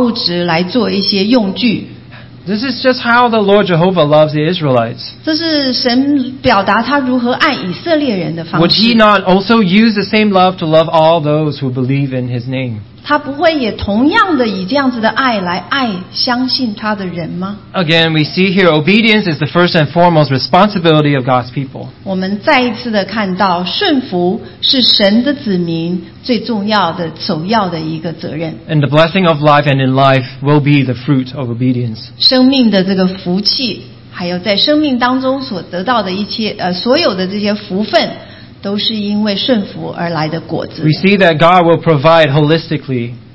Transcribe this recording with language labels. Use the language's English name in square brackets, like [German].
[Chinese] 你可以拿这些矿物质来做一些用具。 [English] This is just how the Lord Jehovah loves the Israelites. [Chinese] 这是神表达他如何爱以色列人的方式。 [English] Would he not also use the same love to love all those who believe in his name? [Chinese] 他不会也同样的以这样子的爱来爱相信他的人吗? [English] Again, we see here obedience is the first and foremost responsibility of God's people. [Chinese] 我们再一次的看到顺服是神的子民最重要的首要的一个责任。 [English] And the blessing of life and in life will be the fruit of obedience. [Chinese] 生命的这个福气还有在生命当中所得到的一切所有的这些福分 都是因为顺服而来的果子。 [English] We see that God will provide holistically.